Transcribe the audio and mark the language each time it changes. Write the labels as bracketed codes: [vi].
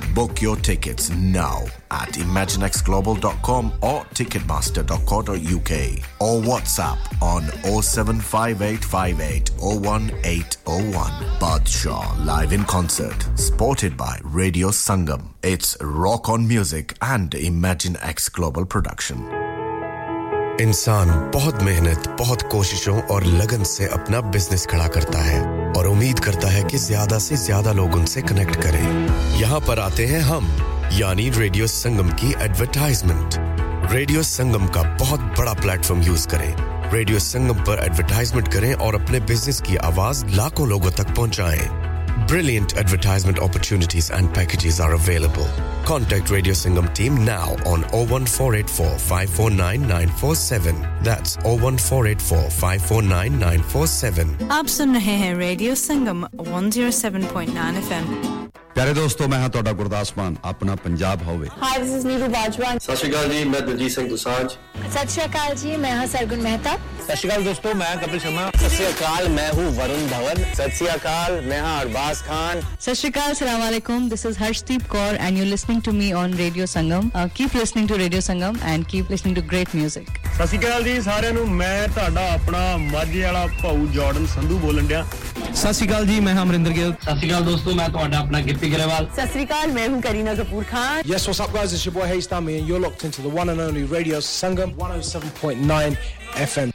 [en] Book your tickets now at imaginexglobal.com or ticketmaster.co.uk or WhatsApp on 07585801801. Badshah live in concert, supported by Radio Sangam. It's Rock On Music and Imagine X Global Production. [hi] इंसान बहुत मेहनत, बहुत कोशिशों और लगन से अपना business खड़ा करता है और उम्मीद करता है कि ज्यादा से ज्यादा लोग उनसे कनेक्ट करें। यहां पर आते हैं हम, यानी रेडियो संगम की एडवरटाइजमेंट। रेडियो संगम का बहुत बड़ा प्लेटफार्म यूज करें। रेडियो संगम पर एडवरटाइजमेंट करें और अपने बिजनेस की आवाज लाखों लोगों तक पहुंचाएं। [en] Brilliant advertisement opportunities and packages are available. Contact Radio Sangam team now on 01484-549-947. That's 01484-549-947. [hi] आप सुन रहे हैं Radio Sangam 107.9 FM. प्यारे दोस्तों मैं हूं तोड़ा गुरदास मान अपना पंजाब होवे [en] hi this is Neeru Bajwa [hi] सत श्री अकाल जी मैं दिलजीत सिंह दोसांझ सत श्री अकाल जी मैं हूं सरगुण मेहता सत श्री अकाल दोस्तों मैं कपिल शर्मा सत श्री अकाल मैं हूं वरुण धवन सत श्री अकाल मैं हूं अरबाज खान [pa] सत श्री अकाल [en] अस्सलाम वालेकुम this is Harshdeep Kaur and you listening to me on radio Sangam keep listening to radio Sangam and keep listening to great music [pa] सत श्री अकाल जी सारे नु मैं ਤੁਹਾਡਾ ਆਪਣਾ ਮਾਝੇ ਵਾਲਾ ਭਾਉ ਜਾਰਡਨ ਸੰਧੂ ਬੋਲਣ ਡਿਆ ਸਤ ਸ਼੍ਰੀ ਅਕਾਲ ਜੀ ਮੈਂ ਅਮਰਿੰਦਰ ਗਿੱਲ ਸਤ ਸ਼੍ਰੀ ਅਕਾਲ ਦੋਸਤੋ ਮੈਂ ਤੁਹਾਡਾ ਆਪਣਾ ਗਿੱਪੀ ਗਰੇਵਾਲ ਸਤ ਸ਼੍ਰੀ ਅਕਾਲ ਮੈਂ ਹੂੰ Kareena Kapoor Khan [en] yes what's up guys it's your boy Hesh Tami and you are locked into the one and only radio Sangam 107.9 FM